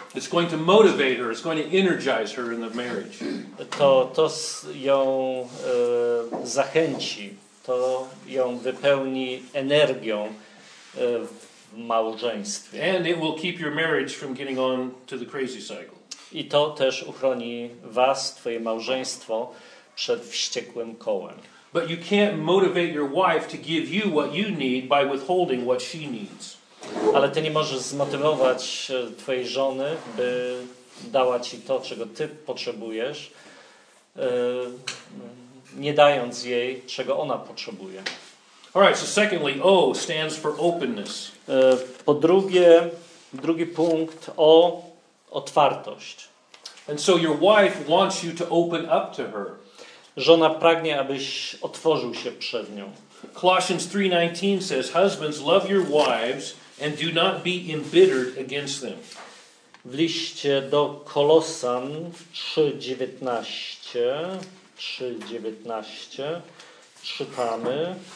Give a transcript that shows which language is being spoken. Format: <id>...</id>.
<en>It's going to motivate her, it's going to energize her in the marriage.</en> <pl>To ją zachęci, to ją wypełni energią w małżeństwie.</pl> <en>And it will keep your marriage from getting on to the crazy cycle.</en> <pl>I to też uchroni was, twoje małżeństwo, przed wściekłym kołem.</pl> <en>But you can't motivate your wife to give you what you need by withholding what she needs.</en> <pl>Ale ty nie możesz zmotywować twojej żony, by dała ci to, czego ty potrzebujesz, nie dając jej, czego ona potrzebuje.</pl> <en>All right, so secondly, O stands for openness.</en> <pl>Po drugie, drugi punkt, O, otwartość.</pl> <en>And so your wife wants you to open up to her.</en> <pl>Żona pragnie, abyś otworzył się przed nią.</pl> <en>Colossians 3:19 says, husbands, love your wives and do not be embittered against them.</en> <pl>W liście do Kolosan 3:19 czytamy.</pl>